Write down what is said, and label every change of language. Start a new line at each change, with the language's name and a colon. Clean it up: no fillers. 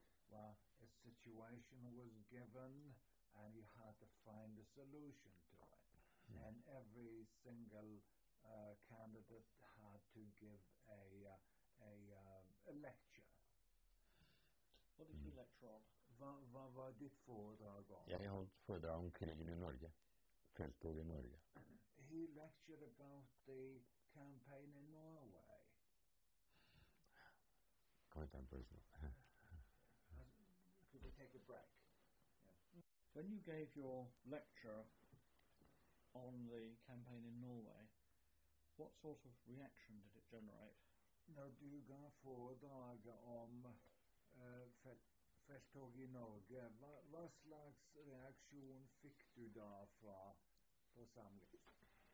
English: Well, a situation was given and you had to find a solution to it. And every single candidate had to give a lecture. What did you lecture on?
Norwegian: Hva var ditt foredrag om? Jeg holdt foredrag om krigen i Norge. Feltet i Norge.
English: He lectured about the campaign in Norway. Come on, personal. Could we take a break? Yeah. When you gave your lecture on the campaign in Norway, what sort of reaction did it generate?
Norwegian: Når du ga foredrag om felttog i Norge, hva slags reaksjon fikk du da fra forsamlingen?